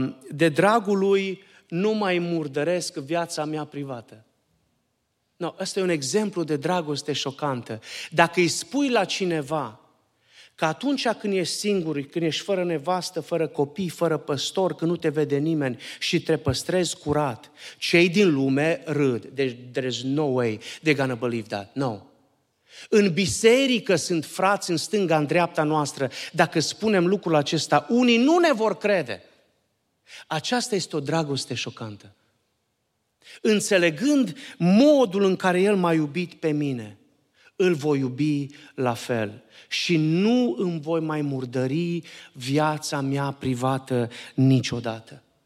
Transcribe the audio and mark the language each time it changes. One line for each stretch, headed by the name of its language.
Romanian: De dragul lui nu mai murdăresc viața mea privată. No, ăsta e un exemplu de dragoste șocantă. Dacă îi spui la cineva că atunci când ești singur, când ești fără nevastă, fără copii, fără păstor, când nu te vede nimeni și te păstrezi curat, cei din lume râd.
English: Deci, there is no way they're gonna believe that. No.
Romanian: În biserică sunt frați în stânga, în dreapta noastră. Dacă spunem lucrul acesta, unii nu ne vor crede. Aceasta este o dragoste șocantă. Înțelegând modul în care El m-a iubit pe mine, îl voi iubi la fel și nu îmi voi mai murdări viața mea privată niciodată.